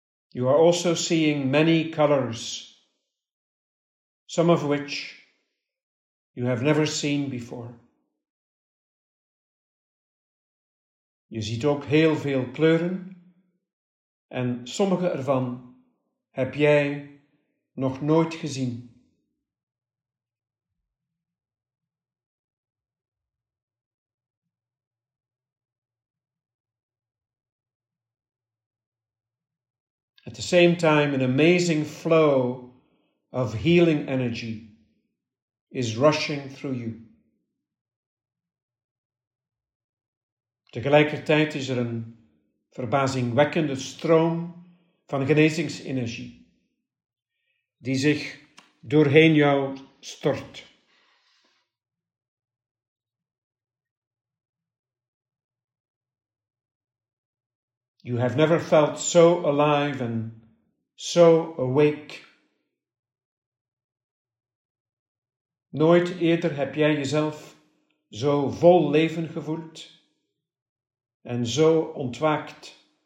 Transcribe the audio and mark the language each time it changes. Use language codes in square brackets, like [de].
[en] You are also seeing many colors, some of which you have never seen before. [nl] Je ziet ook heel veel kleuren en sommige ervan heb jij nog nooit gezien. [en] At the same time, an amazing flow of healing energy is rushing through you. [nl] Tegelijkertijd is er een verbazingwekkende stroom van genezingsenergie die zich doorheen jou stort. [en] You have never felt so alive and so awake. [nl] Nooit eerder heb jij jezelf zo vol leven gevoeld en zo ontwaakt.